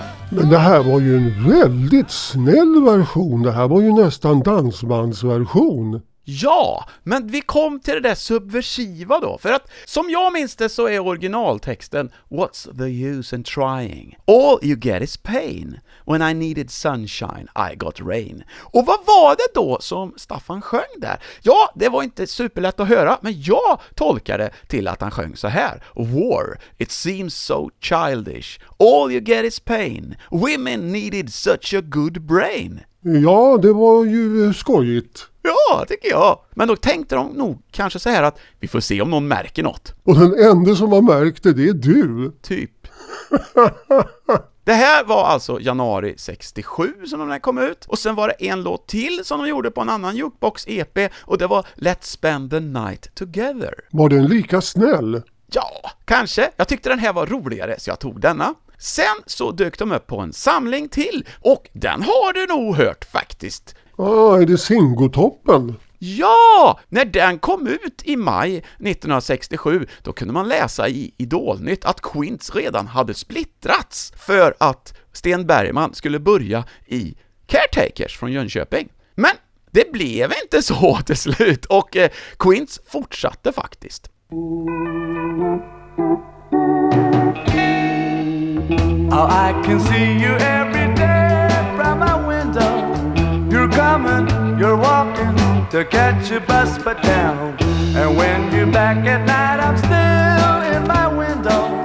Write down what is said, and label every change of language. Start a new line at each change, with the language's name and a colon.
Swedish: Men det här var ju en väldigt snäll version. Det här var ju nästan dansbandsversion. Ja, men vi kom till det där subversiva då. För att som jag minns det så är originaltexten
English: "What's the use in trying? All you get is pain. When I needed sunshine, I got rain."
Swedish: Och vad var det då som Staffan sjöng där? Ja, det var inte superlätt att höra, men jag tolkade till att han sjöng så här:
English: "War, it seems so childish. All you get is pain. Women needed such a good brain."
Swedish: Ja, det var ju skojigt. Ja, tycker jag. Men då tänkte de nog kanske så här att vi får se om någon märker något. Och den enda som har märkt det är du. Typ. Det här var alltså januari 67 som de här kom ut. Och sen var det en låt till som de gjorde på en annan jukebox EP. Och det var Let's Spend the Night Together. Var den lika snäll? Ja, kanske. Jag tyckte den här var roligare så jag tog denna. Sen så dök de upp på en samling till. Och den har du nog hört faktiskt. Är det Singotoppen? Ja, när den kom ut i maj 1967, då kunde man läsa i Idolnytt att Quints redan hade splittrats för att Sten Bergman skulle börja i Caretakers från Jönköping. Men det blev inte så till slut och Quints fortsatte faktiskt.
English: Oh, I can see you every day from my window. You're coming, you're walking. To catch a bus but down. And when you're back at night, I'm still in my window.